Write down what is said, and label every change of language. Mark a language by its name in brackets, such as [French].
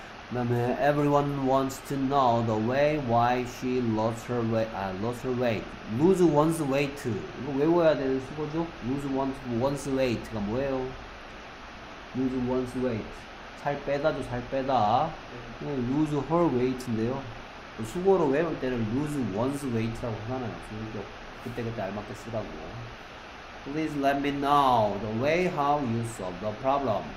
[Korean] 그다음에 [English] everyone wants to know the way why she lost her weight. lost her weight. lose one's weight. [Korean] 이거 외워야 되는 수거죠? [English] lose one's weight가 [Korean] 뭐예요? [English] lose one's weight. [Korean] 살 빼다죠, 살 빼다. 그냥 [English] lose her weight [Korean] 인데요. 수거로 외울 때는 [English] lose one's weight [Korean] 라고 하잖아요. 그때그때 알맞게 쓰라고. [English] Please let me know the way how you solve the problem.